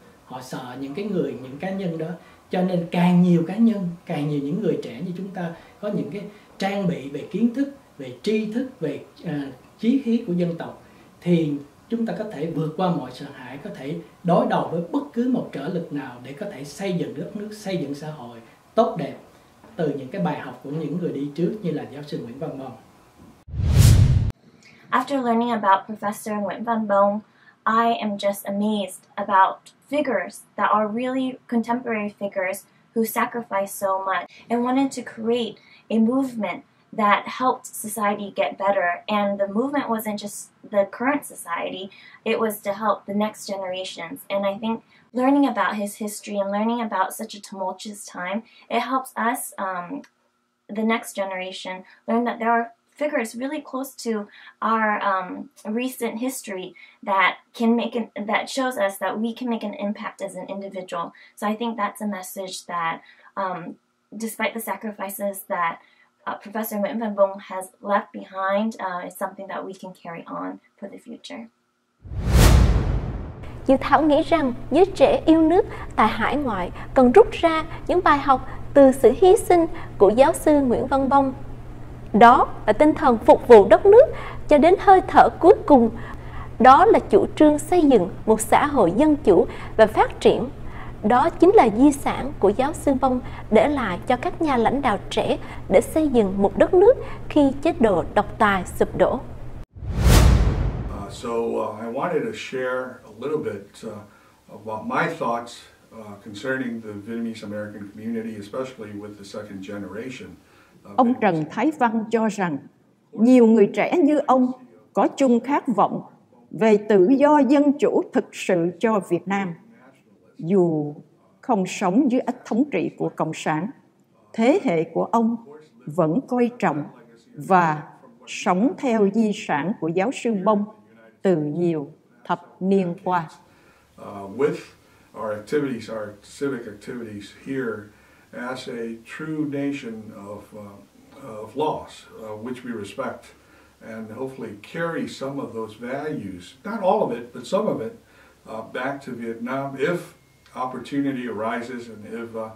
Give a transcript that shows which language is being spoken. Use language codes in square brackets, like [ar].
[vi] Họ sợ những cái người, những cá nhân đó. Cho nên càng nhiều cá nhân, càng nhiều những người trẻ như chúng ta có những cái trang bị về kiến thức, về tri thức, về chí khí của dân tộc, thì chúng ta có thể vượt qua mọi sợ hãi, có thể đối đầu với bất cứ một trở lực nào để có thể xây dựng đất nước, xây dựng xã hội tốt đẹp từ những cái bài học của những người đi trước như là giáo sư Nguyễn Văn Bông. [en] After learning about Professor Nguyễn Văn Bông, I am just amazed about figures that are really contemporary figures who sacrificed so much and wanted to create a movement that helped society get better. And the movement wasn't just the current society, it was to help the next generations. And I think learning about his history and learning about such a tumultuous time, it helps us, the next generation, learn that there are figures really close to our recent history that can make an, that shows us that we can make an impact as an individual. So I think that's a message that, despite the sacrifices that Professor Nguyễn Văn Bông has left behind, is something that we can carry on for the future. [vi] Dự thảo nghĩ rằng giới trẻ yêu nước tại hải ngoại cần rút ra những bài học từ sự hy sinh của giáo sư Nguyễn Văn Bông. Đó là tinh thần phục vụ đất nước cho đến hơi thở cuối cùng. Đó là chủ trương xây dựng một xã hội dân chủ và phát triển. Đó chính là di sản của giáo sư Bông để lại cho các nhà lãnh đạo trẻ để xây dựng một đất nước khi chế độ độc tài sụp đổ. [en] I wanted to share a little bit about my thoughts concerning the Vietnamese American community, especially with the second generation. [vi] Ông Trần Thái Văn cho rằng nhiều người trẻ như ông có chung khát vọng về tự do dân chủ thực sự cho Việt Nam. Dù không sống dưới ách thống trị của Cộng sản, thế hệ của ông vẫn coi trọng và sống theo di sản của giáo sư Bông từ nhiều thập niên qua. [en] With our activities, our civic activities here, as a true nation of laws, which we respect, and hopefully carry some of those values, not all of it, but some of it, back to Vietnam, if opportunity arises and if